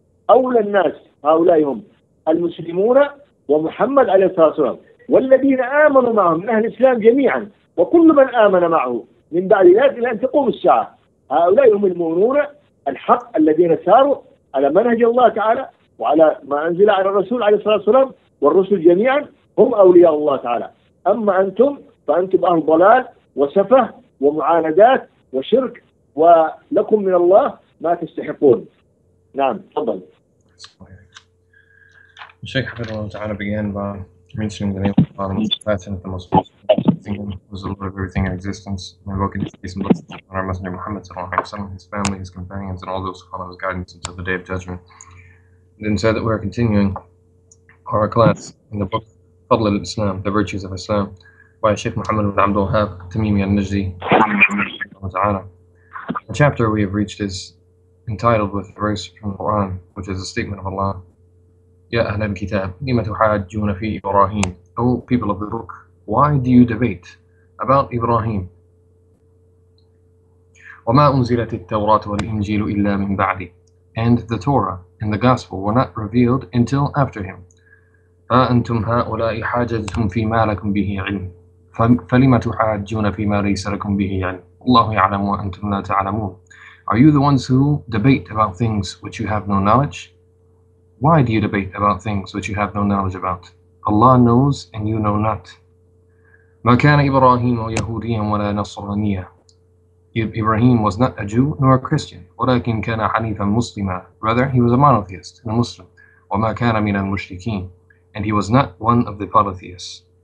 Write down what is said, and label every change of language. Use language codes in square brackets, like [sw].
[ar] أولى الناس هؤلاء هم المسلمون ومحمد عليه الصلاة والسلام، والذين آمنوا معهم من أهل الإسلام جميعا، وكل من آمن معه من بعد ذلك لأن تقوم الساعة، هؤلاء هم المؤمنون الحق الذين ساروا على منهج الله تعالى وعلى ما أنزل على الرسول عليه الصلاة والسلام والرسل جميعا هم أولياء الله تعالى، أما أنتم فأنتم أهل ضلال وسفه ومعاندات وشرك، ولكم من الله ما تستحقون. نعم تفضل. الشيخ حفظه الله تعالى [en] began by mentioning the name of Allah, the Compassionate, the Most Merciful, who is the Lord of everything in existence. May Allah give peace and blessings on our Messenger Muhammad sallallahu alaihi wasallam, his family, his companions, and all those who follow his guidance until the Day of Judgment. And then said that we are continuing our class in the book Fadl al-Islam, the virtues of Islam, by Sheikh Muhammad bin Abdul Wahhab Tamimi al-Najdi. The chapter we have reached is entitled with a verse from the Quran, which is a statement of Allah. [ar] يا أهل الكتاب لما تحاجون في إبراهيم. [en] O people of the book, why do you debate about Ibrahim? [ar] وما أنزلت التوراة والإنجيل إلا من بعده. [en] And the Torah and the Gospel were not revealed until after him. [ar] أنتم هؤلاء حاجتهم في ما لكم به علم. فلما تحاجون في ما ليس لكم به علم. الله يعلم وأنتم لا تعلمون. [en] Are you the ones who debate about things which you have no knowledge? Why do you debate about things which you have no knowledge about? Allah knows and you know not. [ar] ما كان إبراهيم يهوديا ولا نصرانيا. [en] Ibrahim was not a Jew nor a Christian. [ar] ولكن كان حنيفا مسلما. [en] Rather, he was a monotheist and a Muslim. [ar] وما كان من المشركين. [en] And he was not one of the polytheists.